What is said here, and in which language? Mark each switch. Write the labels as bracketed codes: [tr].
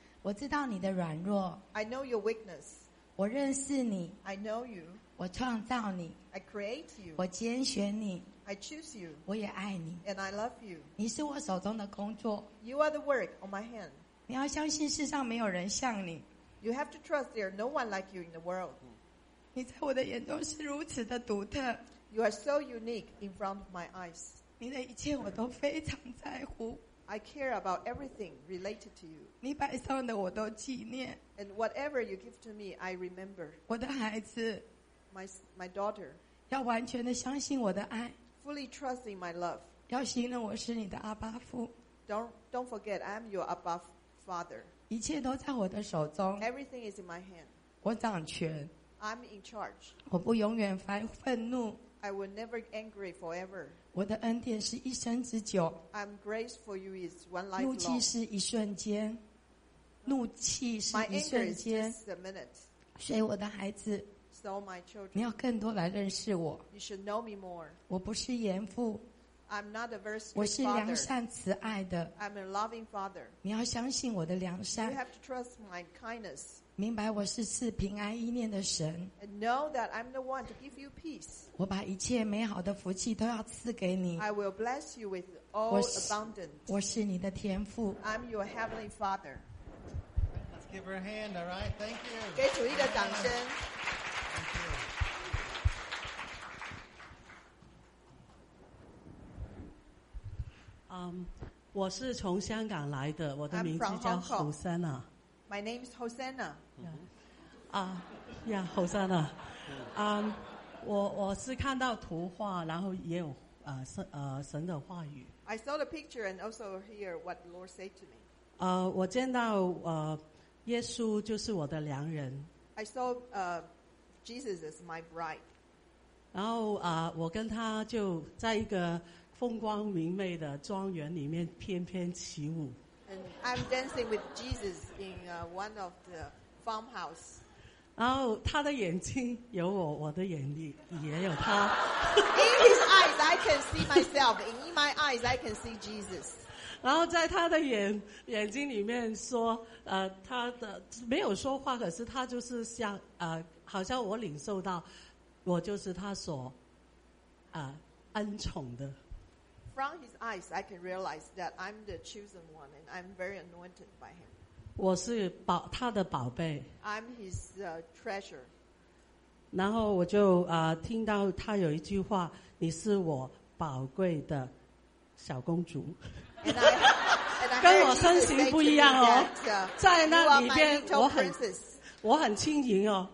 [zh] 我知道你的软弱。 [en] I know your weakness. [zh] 我认识你。 [en] I know you. [zh] 我创造你。 [en] I create you. [zh] 我拣选你。 [en] I choose you. [zh] 我也爱你。 [en] And I love you. [zh] 你是我手中的工作。 [en] You are the work on my hand. [zh] 你要相信世上没有人像你。 [en] You have to trust there no one like you in the world. [zh] 你在我的眼中是如此的独特。 [en] You are so unique in front of my eyes. [zh] 你的一切我都非常在乎。 [en] I care about everything related to you. [zh] 你摆上的我都纪念。 [en] And whatever you give to me, I remember. [zh] 我的孩子。 [en] My daughter. [zh] 要完全的相信我的爱。 [en] Fully trusting my love. [zh] 要承认我是你的阿爸父。 [en] Don't forget, I'm your Abba父。Father, [zh] 一切都在我的手中。 [en] Everything is in my hand. [zh] 我掌权。 [en] I'm in charge. [zh] 我不永远发愤怒。 [en] I will never angry forever. [zh] 我的恩典是一生之久。 [en] I'm grace for you is one life long. [zh] 怒气是一瞬间。怒气是一瞬间。 [en] My anger is just a minute. [zh] 所以我的孩子。 [en] So my children. [zh] 你要更多来认识我。 [en] You should know me more. [zh] 我不是严父。 [en] I'm not a very strict father. [zh] 我是良善慈爱的。 [en] I'm a loving father. [zh] 你要相信我的良善。 [en] You have to trust my kindness. [zh] 明白我是赐平安意念的神。 [en] And know that I'm the one to give you peace. [zh] 我把一切美好的福气都要赐给你。 [en] I will bless you with all abundance. [zh] 我是你的天父。 [en] I'm your heavenly father. Let's give her a hand, all right? Thank you. [zh] 给主一个掌声。我是从香港来的，我的名字叫 Hosanna. [en] My name is Hosanna. Hosanna. [zh] 我是看到图画，然后也有神的话语。 [en] I saw the picture and also hear what the Lord said to me. [zh] 我见到耶稣就是我的良人。 [en] I saw Jesus as my bride. [zh] 然后我跟他就在一个风光明媚的庄园里面翩翩起舞。 [en] And I'm dancing with Jesus in one of the farmhouse. [zh] 然后他的眼睛有我，我的眼里也有他。 [en] In his eyes, I can see myself. In my eyes, I can see Jesus. [zh] 然后在他的眼睛里面说，他的没有说话，可是他就是像好像我领受到，我就是他所恩宠的。 [en] From his eyes, I can realize that I'm the chosen one, and I'm very anointed by him. [zh] 我是宝，他的宝贝。 [en] I'm his treasure. [zh] 然后我就听到他有一句话：“你是我宝贵的小公主。 ” 跟我身形不一样哦， [en] that, [zh] 在那里边我很轻盈哦。